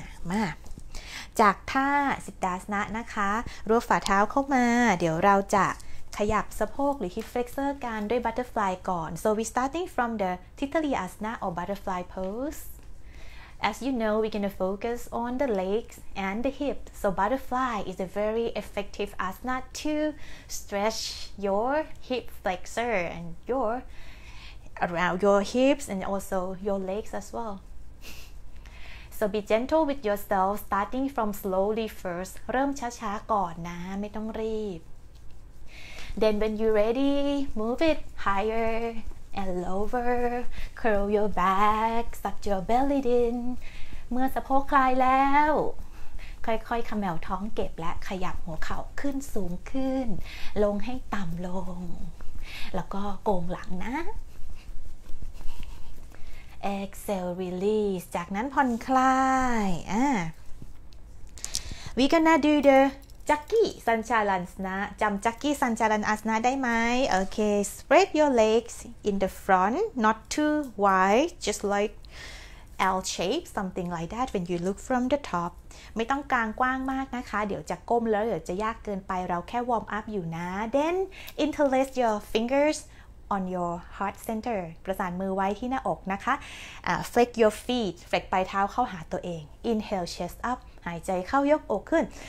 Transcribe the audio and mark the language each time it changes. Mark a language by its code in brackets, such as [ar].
[th] มาจากท่าสิทธาสนะนะคะรวบฝ่าเท้าเข้ามาเดี๋ยวเราจะขยับสะโพกหรือ hip flexor กันด้วย butterfly ก่อน [en] So we starting from the Tittaryasana or butterfly poseAs you know, we're going to focus on the legs and the hip. So butterfly is a very effective asana to stretch your hip flexor and your around your hips and also your legs as well. So be gentle with yourself, starting from slowly first. [th] เริ่มช้าๆก่อนนะไม่ต้องรีบ [en] Then when you're ready, move it higher. And lower, curl your back, suck your belly in. [th] เมื่อสะโพกคลายแล้วค่อยๆขมิ้วท้องเก็บและขยับหัวเข่าขึ้นสูงขึ้นลงให้ต่ำลงแล้วก็โก่งหลังนะ [en] Exhale, release. [th] จากนั้นผ่อนคลาย [en] We gonna do the Jaggi Sanchalasana. [th] จำ Jaggi Sanchalasana ได้ไหม [en] Okay, spread your legs in the front, not too wide, just like L shape, something like that when you look from the top. [th] ไม่ต้องกางกว้างมากนะคะเดี๋ยวจะก้มแล้วเดี๋ยวจะยากเกินไปเราแค่วอร์มอัพอยู่นะ [en] Then interlace your fingers on your heart center [th] ประสานมือไว้ที่หน้าอกนะคะ [en] flex your feet [th] flex ปลายเท้าเข้าหาตัวเอง [en] inhale chest up [th] หายใจเข้ายกอกขึ้น